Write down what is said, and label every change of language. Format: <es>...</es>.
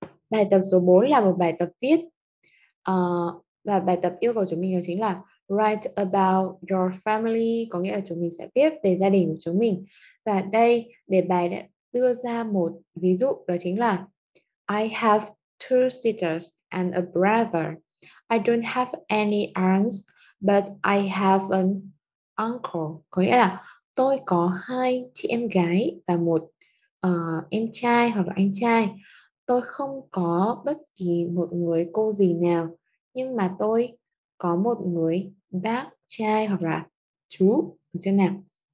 <vi>Bài tập số 4 là một bài tập viết. Và bài tập yêu cầu chúng mình đó chính là</vi> <en>write about your family,</en> <vi>có nghĩa là chúng mình sẽ viết về gia đình của chúng mình. Và đây để bài đã đưa ra một ví dụ đó chính là</vi> <en>I have two sisters and a brother. I don't have any aunts, but I have an uncle.</en> <vi>Có nghĩa là tôi có hai chị em gái và một em trai hoặc là anh trai. Tôi không có bất kỳ một người cô dì nào, nhưng mà tôi có một người bác trai hoặc là chú, được chưa nào?</vi>